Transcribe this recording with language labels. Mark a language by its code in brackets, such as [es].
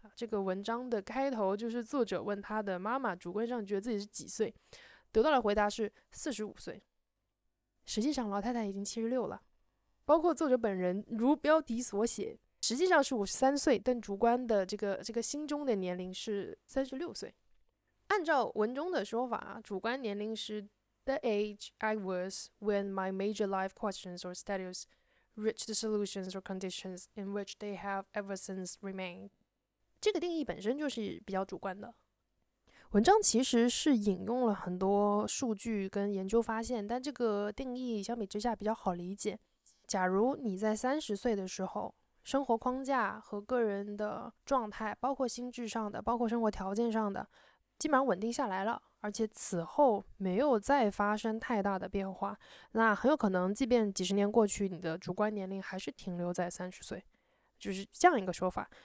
[zh] 这个文章的开头就是作者问他的妈妈主观上觉得自己是几岁，得到的回答是45岁，实际上老太太已经76了。包括作者本人如标题所写，实际上是53岁，但主观的这个心中的年龄是36岁。按照文中的说法，主观年龄是 [en] the age I was when my major life questions or status reached solutions or conditions in which they have ever since remained。 [zh] 这个定义本身就是比较主观的。文章其实是引用了很多数据跟研究发现，但这个定义相比之下比较好理解。假如你在30岁的时候，生活框架和个人的状态，包括心智上的，包括生活条件上的，基本上稳定下来了，而且此后没有再发生太大的变化，那很有可能即便几十年过去，你的主观年龄还是停留在30岁，就是这样一个说法。